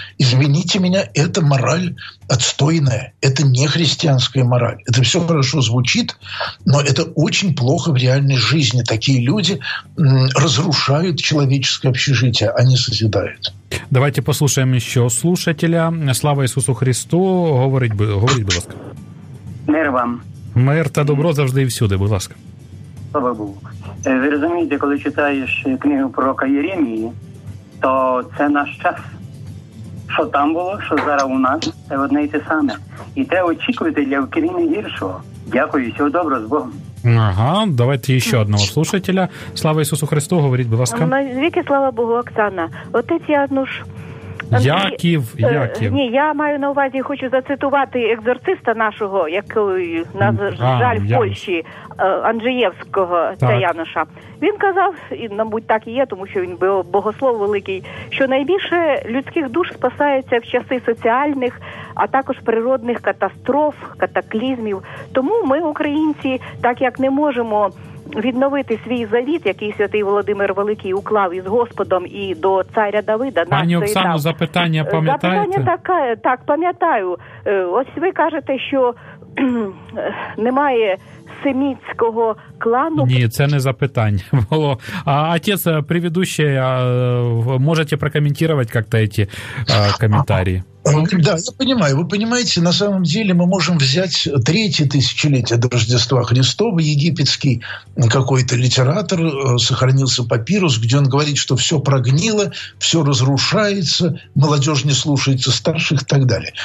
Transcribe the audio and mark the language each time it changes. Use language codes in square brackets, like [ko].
[ru] Извините меня, это мораль отстойная, это не христианская мораль. Это все хорошо звучит, но это очень плохо в реальной жизни. Такие люди разрушают человеческое общежитие, а не созидают. Давайте послушаем еще слушателя. Слава Иисусу Христу, говорить, [uk] будь ласка. [ru] Мир вам. [uk] Мир та добро завжди і всюди, будь ласка. Слава Богу. Ви розумієте, коли читаєш книгу пророка Єремії, то це наш час. Що там було, що зараз у нас, це одне і те саме. І те очікувати для України гіршого. Дякую, всього доброго, з Богом. [ru] Ага, давайте ще одного слушателя. [uk] Слава Ісусу Христу, говоріть, будь ласка. Звідки, слава Богу, Оксана. Отець Януш. Яків. Ні, я маю на увазі, хочу зацитувати екзорциста нашого, який нас жаль в Польщі, Анджеєвського, це Януша. Він казав, і, мабуть, так і є, тому що він богослов великий, що найбільше людських душ спасається в часи соціальних, а також природних катастроф, катаклізмів. Тому ми, українці, так як не можемо відновити свій завіт, який святий Володимир Великий уклав із Господом і до царя Давида. Пані Оксано, запитання пам'ятаєте? Запитання таке, так, пам'ятаю. Ось ви кажете, що немає семітського клану. Ні, це не запитання було. А отець, приведуще, можете прокоментувати як-то ці коментарі? [ru] Да, я понимаю. Вы понимаете, на самом деле мы можем взять третье тысячелетие до Рождества Христова. Египетский какой-то литератор сохранился, папирус, где он говорит, что все прогнило, все разрушается, молодежь не слушается старших и так далее.